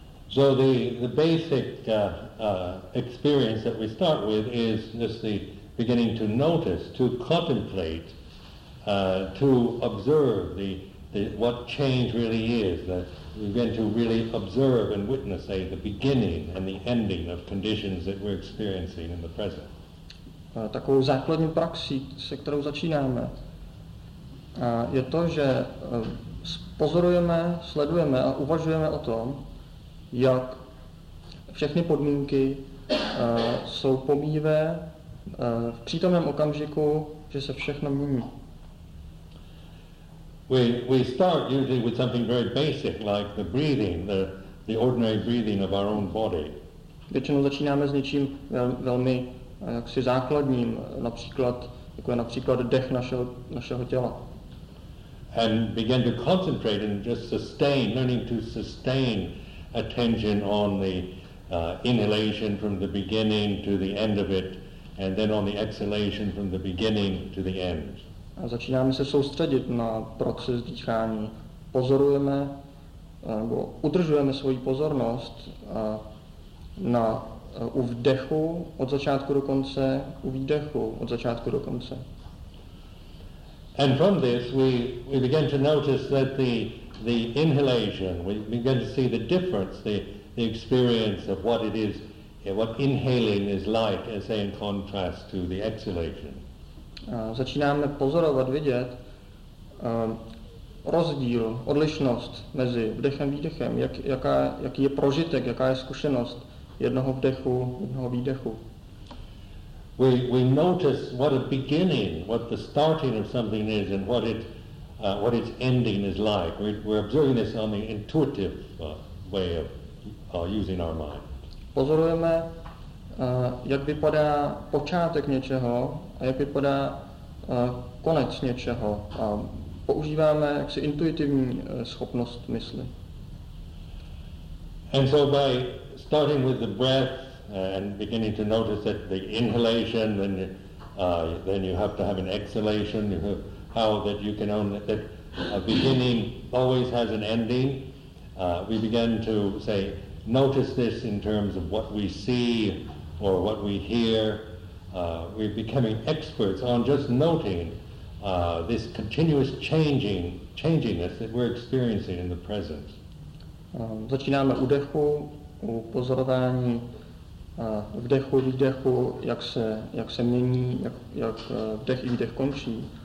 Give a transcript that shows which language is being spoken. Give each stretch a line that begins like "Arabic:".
English: So the basic experience that we start with is just the beginning to notice, to contemplate, to observe the what change really is, that we begin to really observe and witness, say, the beginning and the ending of conditions that we're experiencing in the present.
Czech: Takovou základní praxí, se kterou začínáme, je to, že pozorujeme, sledujeme a uvažujeme o tom, jak všechny podmínky jsou pomíjivé v přítomném okamžiku, že se všechno mění.
English: We start usually with something very basic, like the breathing, the ordinary breathing of our own body.
Czech: Většinou začínáme s něčím velmi jaksi základním, například jako je například dech našeho těla.
English: And begin to concentrate and just sustain, learning to sustain attention on the inhalation from the beginning to the end of it, and then on the exhalation from the beginning to the end.
Czech: A začínáme se soustředit na proces dýchání. Pozorujeme, nebo udržujeme svoji pozornost na u vdechu od začátku do konce, u výdechu od začátku do konce.
English: And from this we begin to notice that the inhalation, we begin to see the difference, the experience of what it is, what inhaling is like, as say in contrast to the exhalation.
Czech: Začínáme pozorovat, vidět rozdíl, odlišnost mezi vdechem, výdechem, jaký je prožitek, jaká je zkušenost jednoho vdechu, jednoho výdechu.
English: We notice what a beginning, what the starting of something is, and what its ending is like. We're observing this on the intuitive way of using our mind.
Czech: Pozorujeme, jak vypadá počátek něčeho a jak vypadá konec něčeho. Používáme jaksi intuitivní schopnost mysli.
English: And so by starting with the breath and beginning to notice that the inhalation, then you have to have an exhalation. You have how that you can own that a beginning always has an ending. We begin to say, notice this in terms of what we see or what we hear. We're becoming experts on just noting this continuous changingness that we're experiencing in the present.
Czech: Začínáme u dechu, u pozorování vdechu, výdechu, jak se mění, jak vdech i výdech končí.